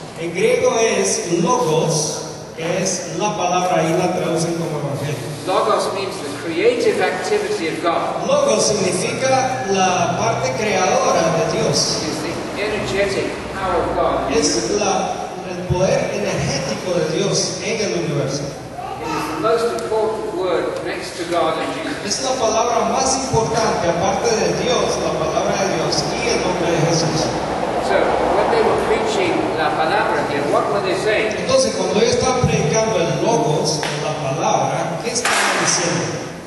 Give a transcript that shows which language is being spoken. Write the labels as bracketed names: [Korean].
[Spanish] En griego es logos, que es la palabra, y la traducen como evangelio. [English] Logos means the truth. creative activity of God. [Spanish] Logos significa la parte creadora de Dios. [English] Is the energetic power of God. [Spanish] Es la, el poder energético de Dios en el universo. [English] It is the most important word next to God and Jesus. [Spanish] Es la palabra más importante aparte de Dios, la palabra de Dios y el nombre de Jesús. [English] So, when they were preaching [Spanish] la palabra, [English] then what were they saying? [Spanish] Entonces, cuando ellos estaban predicando el Logos, la palabra, ¿qué estaban diciendo?